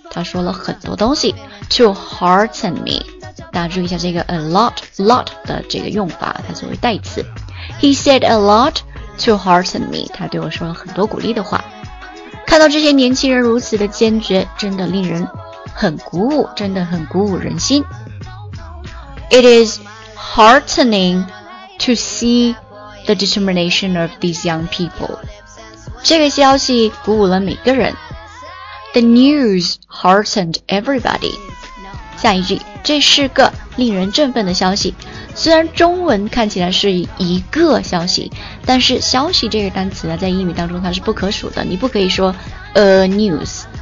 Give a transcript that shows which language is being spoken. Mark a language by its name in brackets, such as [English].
[Chinese] 他说了很多东西。 [English] To hearten me. [Chinese] 大家注意一下这个 a lot, lot 的这个用法，它作为代词。 [English] He said a lot to hearten me. [Chinese] 他对我说了很多鼓励的话。看到这些年轻人如此的坚决，真的令人很鼓舞，真的很鼓舞人心。 [English] It is heartening. To see the determination of these young people. [Chinese] 这个消息鼓舞了每个人。 [English] The news heartened everybody. [Chinese] 下一句，这是个令人振奋的消息。虽然中文看起来是一个消息，但是消息这个单词在英语当中它是不可数的，你不可以说 a news.